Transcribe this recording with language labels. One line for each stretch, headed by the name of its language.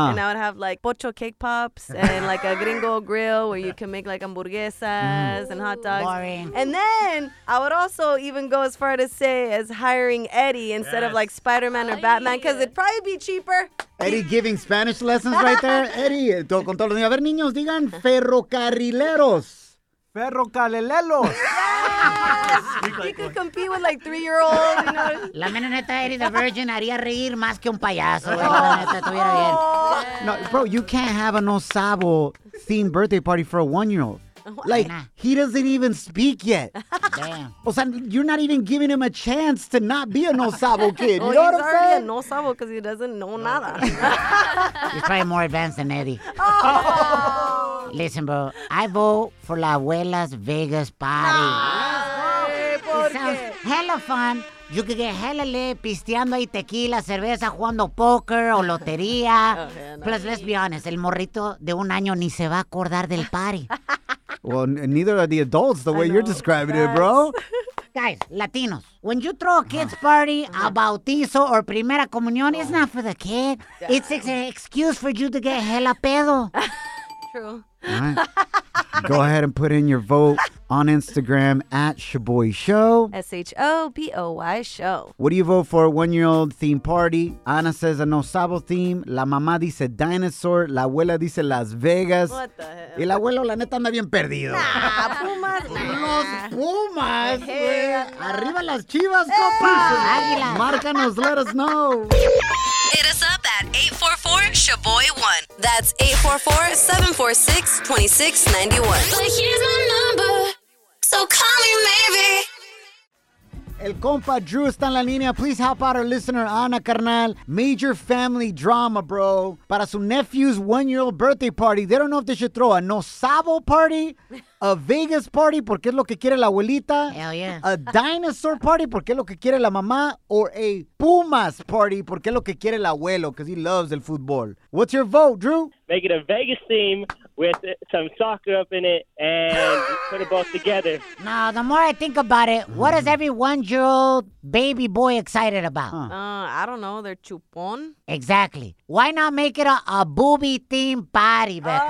English: And I would have like pocho cake pops and like a gringo grill where you can make like hamburguesas and hot dogs. Boring. And then I would also even go as far to say as hiring Eddie instead of like Spider-Man or Batman, because it'd probably be cheaper. Eddie giving Spanish lessons right there.
Spanish: Eddie, con todos los niños. A ver, niños, digan ferrocarrileros. Ferrocarrileros.
English: Yes. You could compete with like 3-year-olds, you know.
Spanish: La mera neta, Eddie the Virgin haría reír más que un payaso. La mera neta, estuviera bien.
English: Yes. No, bro, you can't have a No Sabo themed birthday party for a 1-year-old. Like, he doesn't even speak yet. Damn. O sea, you're not even giving him a chance to not be a No Sabo kid. Well, you know what I'm saying? He's already a No Sabo because he doesn't know nada. He's probably more advanced than Eddie. Oh. Listen, bro, I vote for La Abuela's Vegas party.
Spanish: Ay, ¿por qué?
English: It sounds hella fun. You could get hella lit
Spanish: pisteando ahí tequila, cerveza, jugando póker o lotería.
English: Okay, plus, let's be honest,
Spanish: el morrito de 1 año ni se va a acordar del party.
English: Well, neither are the adults, the way you're describing it, bro. La guys, Latinos, when you throw a kid's party, a bautizo or primera comunión, it's not for the kid. Yeah. It's an excuse for you to get hella pedo. True. Right. Go ahead and put in your vote on Instagram at Shaboy Show. S-H-O-B-O-Y Show. What do you vote for? One-year-old theme party. Ana says a no sabo theme.
Spanish: La mamá dice
English: dinosaur.
Spanish: La abuela dice Las Vegas.
English: What the hell?
Spanish: El abuelo, la neta, anda bien perdido.
English: Nah, Pumas.
Spanish: Los Pumas, güey. Hey, arriba las chivas, copa. Águila. Márcanos,
English: let us know. Hit us up at 844-SHABOY1. That's 844-746-2691. But here's my number, so call me maybe.
Spanish: El compa Drew está en la línea.
English: Please help out our listener, Ana Carnal. Major family drama, bro.
Spanish: Para su
English: nephew's one-year-old birthday party, they don't know if they should throw a no sabo party, a Vegas party,
Spanish: porque es lo que quiere la abuelita.
English: Hell yeah. A dinosaur party,
Spanish: porque es lo que quiere la mamá.
English: Or a Pumas party,
Spanish: porque es lo que quiere el abuelo,
English: because he loves el fútbol. What's your vote, Drew? Make it a Vegas theme with some soccer up in it and put it both together. Now, the more I think about it, what is every one-year-old baby boy excited about? I don't know. They're chupon. Exactly. Why not make it a booby theme party, Becca?